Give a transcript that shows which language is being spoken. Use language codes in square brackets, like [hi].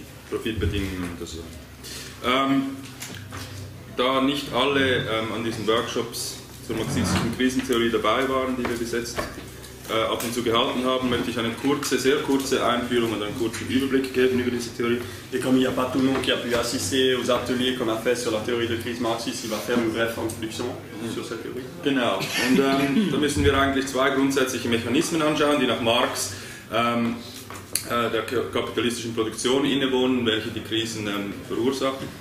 [de] Profit Bedingungen und so. Da nicht alle an diesen Workshops zur marxistischen Krisentheorie dabei waren, die wir besetzt ab und zu gehalten haben, möchte ich eine kurze, sehr kurze Einführung und einen kurzen Überblick geben über diese Theorie. [fr] Et comme il n'y a pas tout le monde qui a pu assister aux ateliers qu'on a fait sur la théorie de crise marxiste, il va faire une brève introduction sur cette théorie. [de] Genau. Und da müssen wir eigentlich zwei grundsätzliche Mechanismen anschauen, die nach Marx der kapitalistischen Produktion innewohnen, welche die Krisen verursachen.